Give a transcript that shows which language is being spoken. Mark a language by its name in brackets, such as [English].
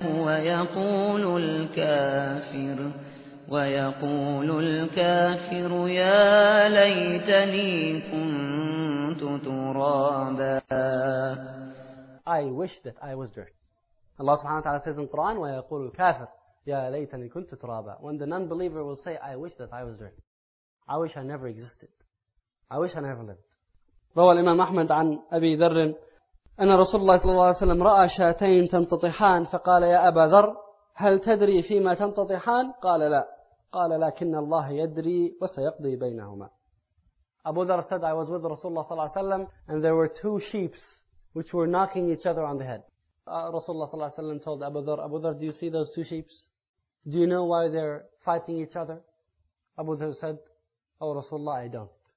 [Arabic] وَيَقُولُ الْكَافِرُ وَيَقُولُ الْكَافِرُ يَا لَيْتَنِي كُنْتُ تُرَابًا. [English] I wish that I was dirt. Allah subhanahu wa ta'ala says in Quran, [Arabic] وَيَقُولُ الْكَافِرُ يَا لَيْتَنِي كُنْتُ تُرَابًا. [English] When the non-believer will say, I wish that I was dirt. I wish I never existed. I wish I never lived. [Arabic] روى الإمام أحمد عن أبي ذر أن رسول الله صلى الله عليه وسلم رأى شاتين تنتطحان فقال يا أبا ذر هل تدري فيما تنتطحان؟ قال لا. قال لكن الله يدري وسيقضي بينهما. [English] Abu Dhar said, I was with Rasulullah صلى الله عليه وسلم and there were two sheeps which were knocking each other on the head. Rasulullah صلى الله عليه وسلم told Abu Dhar, do you see those two sheeps? Do you know why they're fighting each other? Abu Dhar said, oh Rasulullah, I don't.